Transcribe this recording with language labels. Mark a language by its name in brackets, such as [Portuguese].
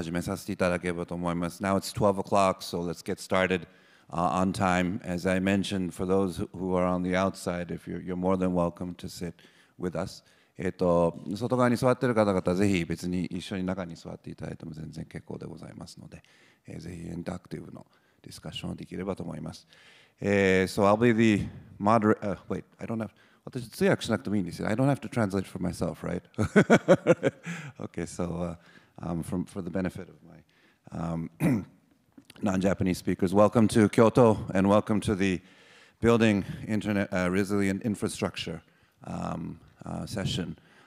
[English] Now it's 12 o'clock, so let's get started on time. As I mentioned, for those who are on the outside, if you're more than welcome to sit with us. [Japanese] 外側に座っている方々、ぜひ別に一緒に中に座っていただいても全然結構でございますので、ぜひインタクティブのディスカッションをできればと思います。 [English] So I'll be the moderator. I don't have to [Japanese] 私通訳しなくてもいいんですよ。 [English] I don't have to translate for myself, right? Okay, so for the benefit of my non-Japanese speakers, welcome to Kyoto and welcome to the Building Internet Resilient Infrastructure session.